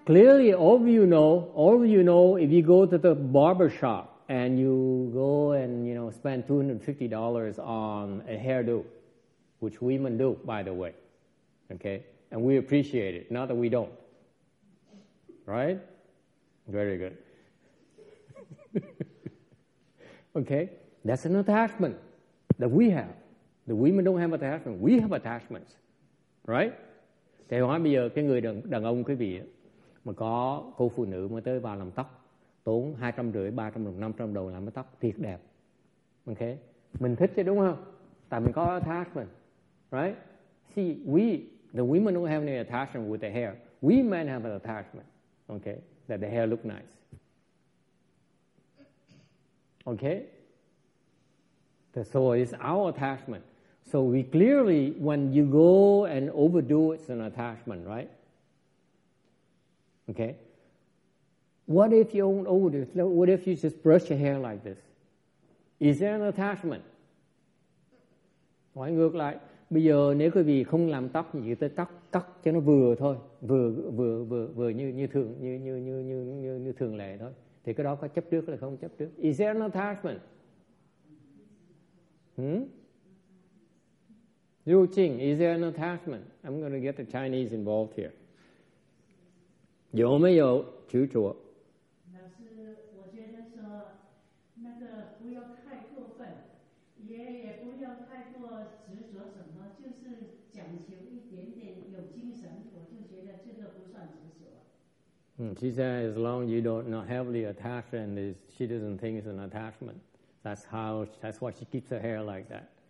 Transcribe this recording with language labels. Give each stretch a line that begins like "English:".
English: clearly, all of you know, if you go to the barber shop and you go and, you know, spend $250 on a hairdo, which women do, by the way, okay? And we appreciate it, not that we don't, right? Very good. Okay, that's an attachment that we have. The women don't have attachment, we have attachments, right?
Vietnamese: Thầy hỏi bây giờ cái người đàn ông quý vị mà có cô phụ nữ mới tới vào làm tóc, tốn 250, 300, 500 đồng làm tóc, thiệt đẹp, okay? Mình thích chứ, đúng không? Tại mình có attachment. Right?
English: See, the women don't have any attachment with the hair. We men have an attachment, okay, that the hair look nice. Okay? So it's our attachment. So we clearly, when you go and overdo it, it's an attachment, right? Okay? What if you don't overdo it? What if you just brush your hair like this? Is there an attachment?
Vietnamese: Why ngược lại? Bây giờ nếu quý vị không làm tóc, thì tới tóc cắt cho nó vừa thôi, vừa như như thường như thường lệ thôi. Thì cái đó có chấp trước hay không chấp trước?
English: Is there an attachment? Liu Qing, is there an attachment? I'm going to get the Chinese involved here.
Chinese: 有没有执着? 老师，我觉得说那个不要太过分，也不要太过执着什么，就是讲求一点点有精神，我就觉得这个不算执着。
English: She says as long as you don't not heavily attached, and she doesn't think it's an attachment. That's how. That's why she keeps her hair like that.